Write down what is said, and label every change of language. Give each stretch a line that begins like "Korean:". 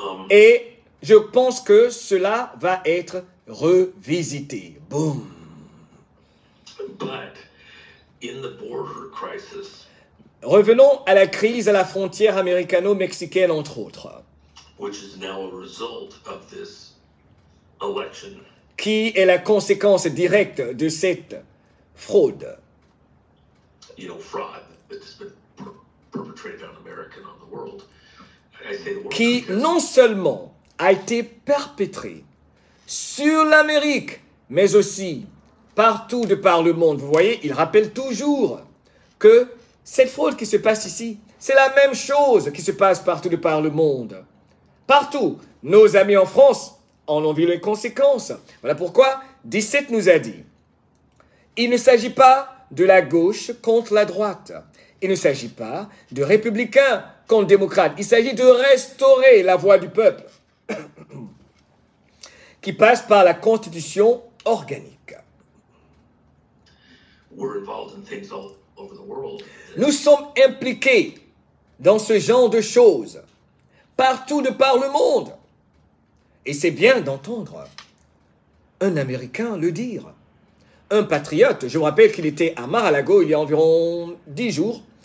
French: Et je pense que cela va être revisité. Boom.
English: But in the border crisis,
French: revenons à la crise à la frontière américano-mexicaine, entre autres.
English: Which is now a result of this election.
French: Qui est la conséquence directe de cette fraude?
English: You know, fraud that's been perpetrated on America and on the world.
French: Qui non seulement a été perpétrée sur l'Amérique, mais aussi partout de par le monde. Vous voyez, il rappelle toujours que cette fraude qui se passe ici, c'est la même chose qui se passe partout de par le monde. Partout, nos amis en France en ont vu les conséquences. Voilà pourquoi 17 nous a dit, il ne s'agit pas de la gauche contre la droite. Il ne s'agit pas de républicains contre démocrates. Il s'agit de restaurer la voix du peuple qui passe par la constitution organique.
English: We're involved in things all over the world.
French: Nous sommes impliqués dans ce genre de choses partout de par le monde. Et c'est bien d'entendre un Américain le dire. Un patriote, je vous rappelle qu'il était à Mar-a-Lago il y a environ 10 jours.